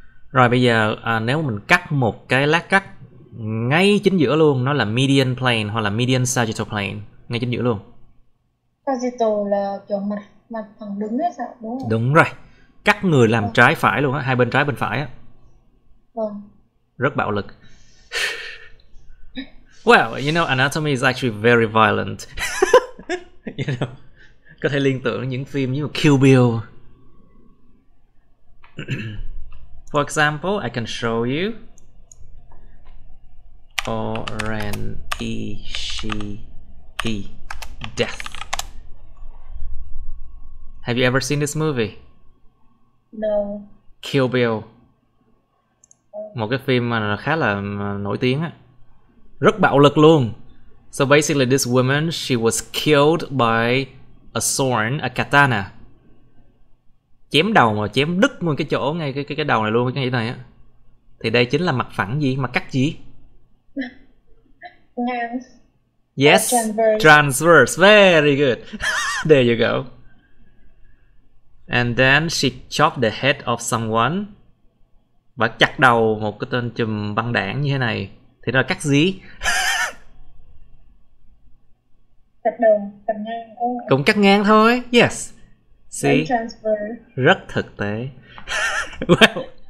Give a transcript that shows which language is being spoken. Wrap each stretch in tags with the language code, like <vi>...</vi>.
<vi>Rồi bây giờ nếu mình cắt một cái lát cắt ngay chính giữa luôn, nó là median plane hoặc là median sagittal plane, ngay chính giữa luôn. Sagittal là kiểu mặt thẳng đứng ấy sao, đúng không? Đúng rồi, cắt người làm trái phải luôn á, hai bên trái bên phải á. Vâng. Rất bạo lực.</vi> <en>Well, you know, anatomy is actually very violent.</en> <vi>You know, có thể liên tưởng những phim như Kill Bill.</vi> <en>For example, I can show you Oren-ishii, Death. Have you ever seen this movie? No. Kill Bill.</en> <vi>Một cái phim mà khá là nổi tiếng á. Rất bạo lực luôn.</vi> <en>So basically this woman, she was killed by a sword, a katana.</en> <vi>Chém đầu mà chém đứt nguyên cái chỗ ngay cái đầu này luôn, cái này á. Thì đây chính là mặt phẳng gì mà cắt gì? Ngang.</vi> <en>Yes. Transverse. Very good. There you go. And then she chopped the head of someone.</en> <vi>Và chặt đầu một cái tên trùm băng đảng như thế này. Thì nó là cắt gì? Cắt đầu, cắt ngang. Cũng cắt ngang thôi.</vi> <en>Yes. See? Transfer.</en> <vi>Rất thực tế. Wow.</vi>